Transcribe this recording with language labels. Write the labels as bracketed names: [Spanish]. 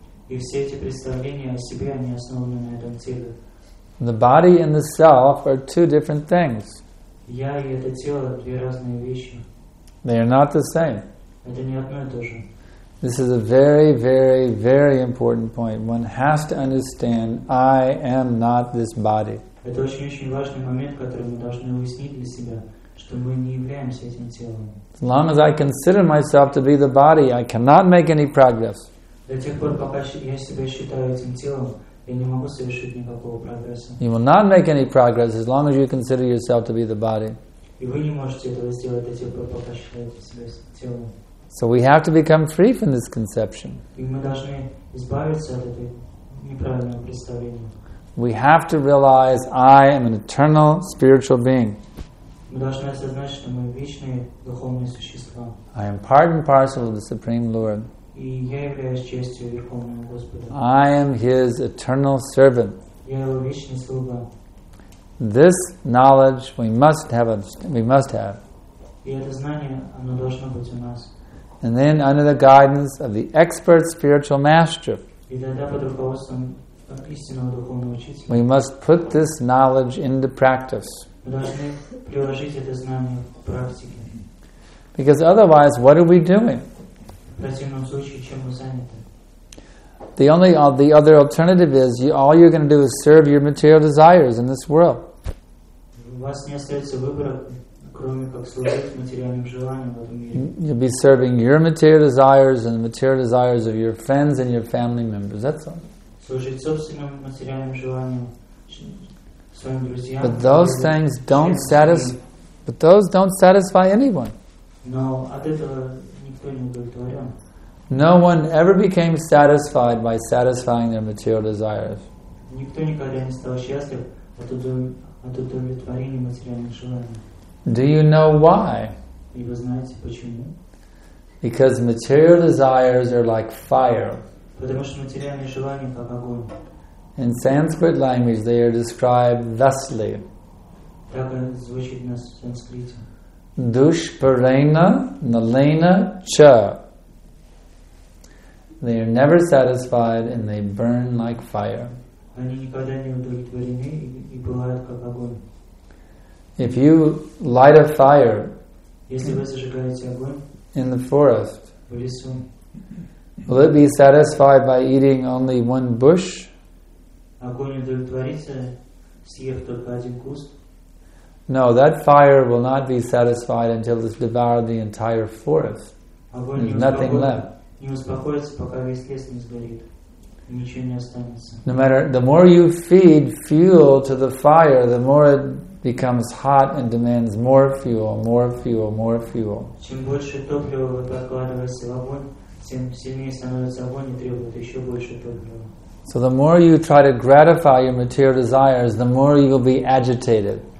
[English] The body and the self are two different things. They are not the same. This is a very, very, very important point. One has to understand, I am not this body. [Russian] Это очень, очень важный момент, который мы должны уяснить для себя, что мы не являемся этим телом. [English] As long as I consider myself to be the body, I cannot make any progress. [Russian] До тех пор, пока я себя считаю этим телом, я не могу совершить никакого прогресса. [English] You will not make any progress as long as you consider yourself to be the body. [Russian] И вы не можете этого сделать до тех пор, пока считаете себя телом. [English] So we have to become free from this conception. [Russian] И мы должны избавиться от этого неправильного представления. [English] We have to realize I am an eternal spiritual being. [Russian] Мы должны осознать, что мы вечные духовные существа. [English] I am part and parcel of the Supreme Lord. [Russian] И я являюсь частью Верховного Господа. [English] I am His eternal servant. [Russian] Я Его вечный слуга. [English] This knowledge we must have. [Russian] И это знание, оно должно быть у нас. [English] And then under the guidance of the expert spiritual master, [Russian] и тогда под руководством истинного духовного учителя, [English] we must put this knowledge into practice. [Russian] Мы должны приложить это знание в практике. [English] Because otherwise, what are we doing? [Russian] В противном случае, чем мы заняты? [English] The other alternative is all you're going to do is serve your material desires in this world. [Russian] У вас не остается выбора, кроме как служить материальным желаниям в этом мире. [English] You'll be serving your material desires and the material desires of your friends and your family members. That's all. [Russian] Служить собственным материальным желаниям, своим друзьям. [English] But those things don't satisfy. But those don't satisfy anyone. [Russian] Но от этого никто не удовлетворен. [English] No one ever became satisfied by satisfying their material desires. [Russian] Никто никогда не стал счастлив от удовлетворения материальных желаний. [English] Do you know why? [Russian] И вы знаете почему? [English] Because material desires are like fire. [Russian] Потому что материальные желания как огонь. [English] In Sanskrit language, they are described thusly. [Russian] Так звучит на санскрите. [Sanskrit] Душпарена налена ча. [English] They are never satisfied and they burn like fire. [Russian] Они никогда не удовлетворены и пылают как огонь. [English] If you light a fire, [Russian] если вы зажигаете огонь, [English] in the forest, [Russian] в лесу, [English] will it be satisfied by eating only one bush? [Russian] Огонь удовлетворится, съев только один куст? [English] No, that fire will not be satisfied until it's devoured the entire forest. [Russian] Огонь [English] there's nothing [Russian] успокоен, [English] left. [Russian] Не успокоится, пока весь лес не сгорит. Ничего не останется. [English] No matter, the more you feed fuel to the fire, the more it becomes hot and demands more fuel, more fuel, more fuel. [Russian] Чем больше топлива вы подкладываете в огонь, тем сильнее становится огонь и требует еще больше топлива. [English] So the more you try to gratify your material desires, the more you will be agitated.